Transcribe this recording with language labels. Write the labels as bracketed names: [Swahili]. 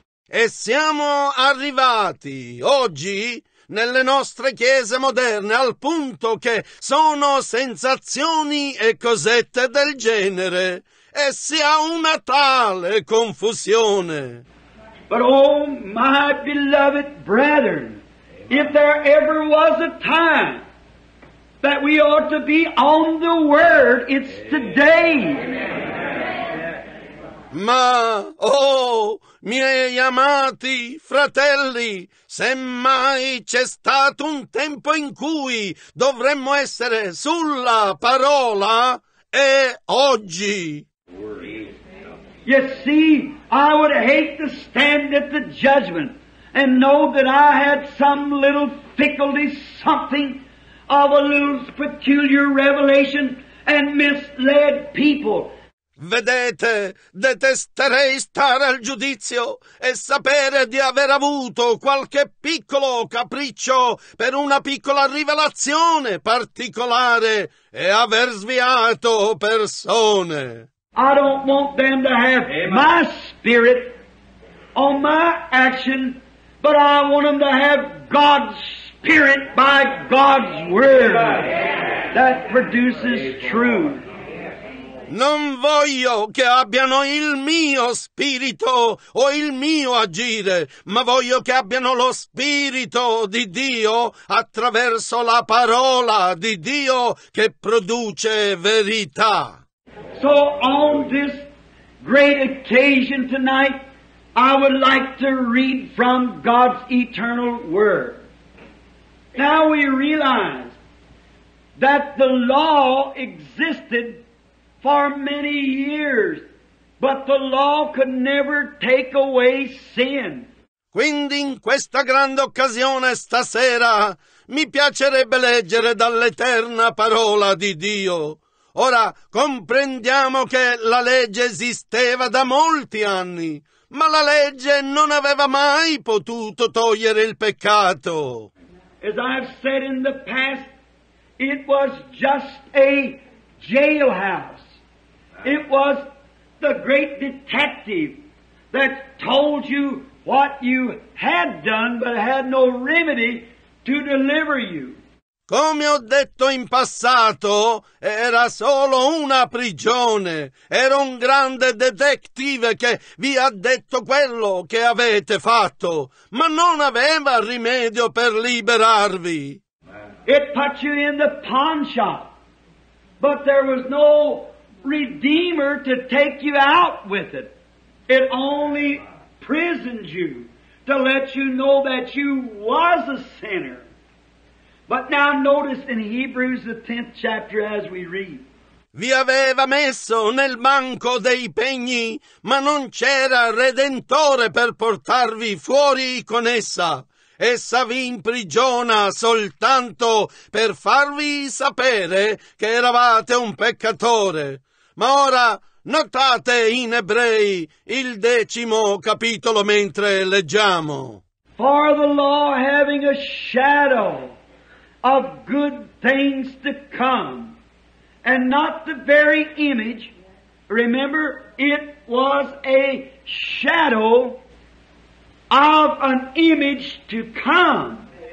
[Italian] E siamo arrivati oggi nelle nostre chiese moderne al punto che sono sensazioni e cosette del genere e si ha una tale confusione. [English] But oh my beloved brethren, if there ever was a time that we ought to be on the word, it's today. [Italian] Ma, oh, miei amati fratelli, semmai c'è stato un tempo in cui dovremmo essere sulla parola, è oggi. [English] You see, I would hate to stand at the judgment and know that I had some little fickle something of a little peculiar revelation and misled people. [Italian] Vedete, detesterei stare al giudizio e sapere di aver avuto qualche piccolo capriccio per una piccola rivelazione particolare e aver sviato persone. [English] I don't want them to have my spirit on my action, but I want them to have God's spirit by God's word that produces truth. [Italian] Non voglio che abbiano il mio spirito o il mio agire, ma voglio che abbiano lo spirito di Dio attraverso la parola di Dio che produce verità. [English] So on this great occasion tonight, I would like to read from God's eternal word. Now we realize that the law existed for many years, but the law could never take away sin. [Italian] Quindi in questa grande occasione stasera mi piacerebbe leggere dall'eterna parola di Dio. Ora comprendiamo che la legge esisteva da molti anni, ma la legge non aveva mai potuto togliere il peccato. [English] As I've said in the past, it was just a jailhouse. It was the great detective that told you what you had done but had no remedy to deliver you. [Italian] Come ho detto in passato, era solo una prigione. Era un grande detective che vi ha detto quello che avete fatto, ma non aveva rimedio per liberarvi. [English] It put you in the pawn shop, but there was no Redeemer to take you out with it. It only prisoned you to let you know that you was a sinner. But now notice in Hebrews the 10th chapter as we read. [Italian] Vi aveva messo nel banco dei pegni, ma non c'era redentore per portarvi fuori con essa. Essa vi imprigiona soltanto per farvi sapere che eravate un peccatore. Ma ora notate in Ebrei il decimo capitolo mentre leggiamo. [English] For the law having a shadow of good things to come, and not the very image, remember, it was a shadow of an image to come.